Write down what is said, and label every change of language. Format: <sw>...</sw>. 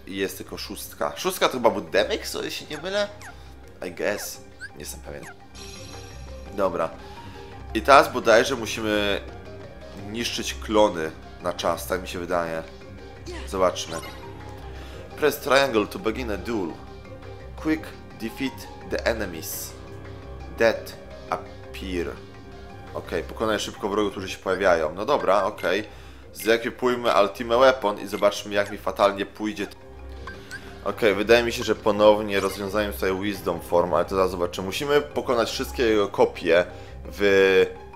<pl>I jest tylko szóstka. Szóstka to chyba był Demix, o ile się nie mylę?</pl> <en>I guess.</en> <pl>Nie jestem pewien. Dobra. I teraz bodajże musimy niszczyć klony na czas, tak mi się wydaje.</pl> <en>Zobaczmy. Press triangle to begin a duel. Quick defeat the enemies. Dead appear.</en> <pl>Okej, pokonaj szybko wrogów, którzy się pojawiają. No dobra, okej. Zekwipujmy Ultimate Weapon i zobaczmy, jak mi fatalnie pójdzie. Okej, wydaje mi się, że ponownie rozwiązałem tutaj Wisdom Form, ale to zaraz zobaczymy. Musimy pokonać wszystkie jego kopie w...</pl>